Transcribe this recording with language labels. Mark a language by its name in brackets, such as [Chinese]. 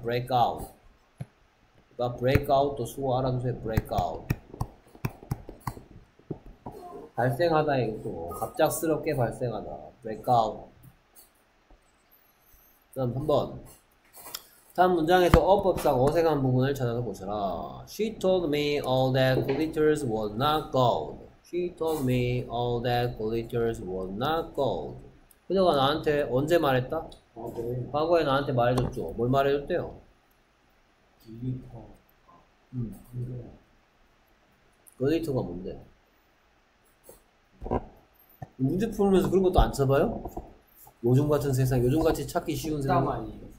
[English] break out. [Korean] 그러니까 [English] break out도 [Korean] 수호하라는 소리 [English] break out. [Korean] 발생하다 이것도 갑작스럽게 발생하다 [English] breakout. [Korean] 그럼 한번 다음 문장에서 어법상 어색한 부분을 찾아서 보셔라. [English] She told me all that glitters was not gold. She told me all that glitters was not gold. [Korean] 그녀가 나한테 언제 말했다? 과거에 나한테 말해줬죠. 뭘 말해줬대요? 글리터. 글리터가 뭔데? 문제 풀면서 그런 것도 안 쳐봐요? 요즘 같은 세상, 요즘 같이 찾기 쉬운 세상.